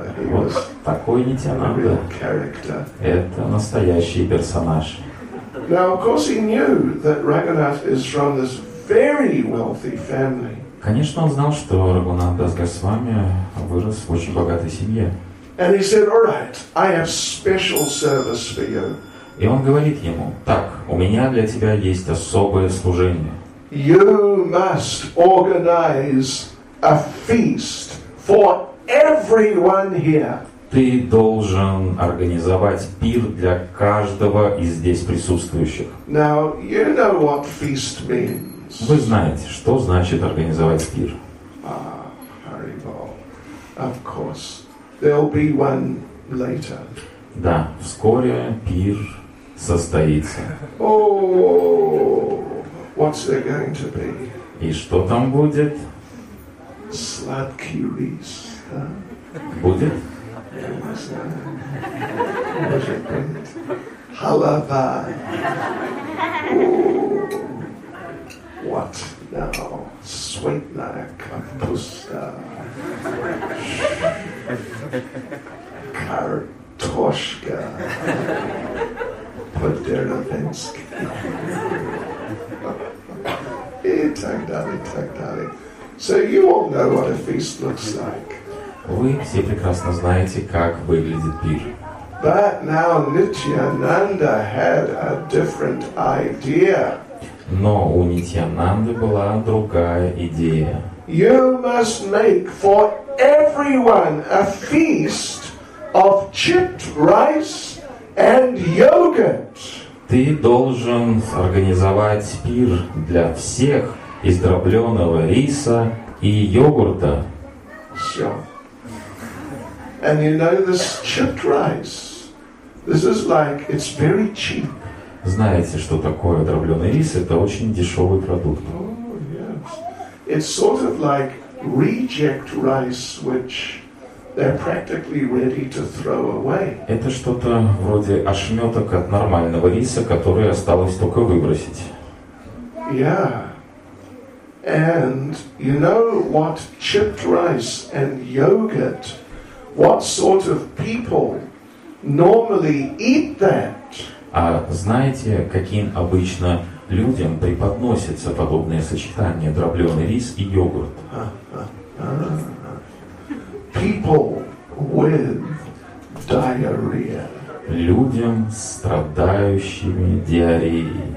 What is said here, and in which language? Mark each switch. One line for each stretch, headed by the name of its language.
Russian: Вот такой Нитьянанда. Это настоящий персонаж.
English: Now, of course, he knew that Raghunath is from this very wealthy family.
Russian: Конечно, он знал, что Рагунат Дас Госвами вырос в очень богатой семье.
English: And he said, "All right, I have special service for you."
Russian: И он говорит ему: "Так, у меня для тебя есть особое служение.
English: You must organize a feast for everyone here."
Russian: Ты должен организовать пир для каждого из здесь присутствующих.
English: Now you know what feast means.
Russian: Вы знаете, что значит организовать пир?
English: Ah, Hari Bol, of course. There'll be one later.
Russian: Да, вскоре пир состоится.
English: Oh, what's there going to be?
Russian: И что там будет? Сладкий рис. Будет? Может быть. Халава.
English: What now? Sweetener
Russian: капуста. Картошка. Подеревенски. И так далее.
English: So you all know what a feast looks like.
Russian: Вы все прекрасно знаете, как выглядит пир.
English: But now Nityananda had a different idea.
Russian: Но у Нитьянанды была другая идея.
English: You must make for everyone a feast of chipped rice and yogurt.
Russian: Ты должен организовать пир для всех из дробленого риса и йогурта. Все.
English: And you know this chipped rice. This is like it's very cheap.
Russian: Знаете, что такое дробленый рис? Это очень дешевый продукт.
English: Oh, yes. It's sort of like reject rice, which they're practically ready to throw away.
Russian: Это что-то вроде ошметок от нормального риса, который осталось только выбросить.
English: Yeah. And you know what chipped rice and yogurt, what sort of people normally eat that?
Russian: А знаете, каким обычно людям преподносятся подобные сочетания дробленый рис и йогурт?
English: People with diarrhea.
Russian: Людям, страдающими диареей.